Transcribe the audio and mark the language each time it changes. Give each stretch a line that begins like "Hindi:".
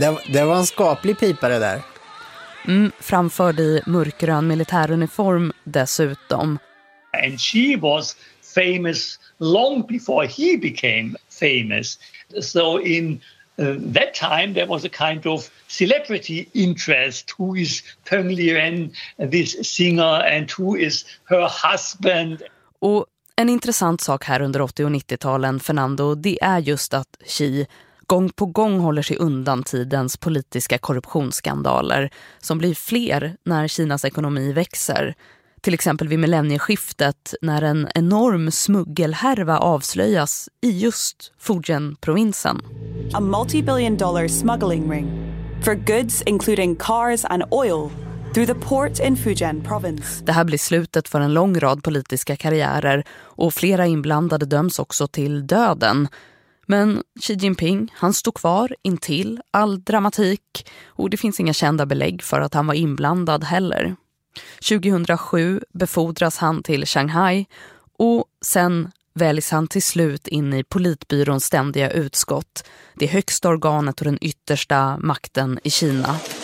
Swedish: Det var en skaplig pipare där. Mm, framförd i mörkgrön militäruniform dessutom.
English: And she was famous long before he became famous. So in that time there was a kind of celebrity interest. Who is Peng Lian, this singer, and who is her husband?
Swedish: Och en intressant sak här under 80- och 90-talen, Fernando, det är just att Xi gång på gång håller sig undan tidens politiska korruptionsskandaler som blir fler när Kinas ekonomi växer. Till exempel vid millennieskiftet när en enorm smuggelhärva avslöjas i just Fujian-provinsen.
English: A multi-billion dollar smuggling ring for goods including cars and oil through the port in Fujian province.
Swedish: Det här blir slutet för en lång rad politiska karriärer och flera inblandade döms också till döden. Men Xi Jinping, han stod kvar intill all dramatik och det finns inga kända belägg för att han var inblandad heller. 2007 befordras han till Shanghai och sen väljs han till slut in i politbyråns ständiga utskott, det högsta organet och den yttersta makten i Kina.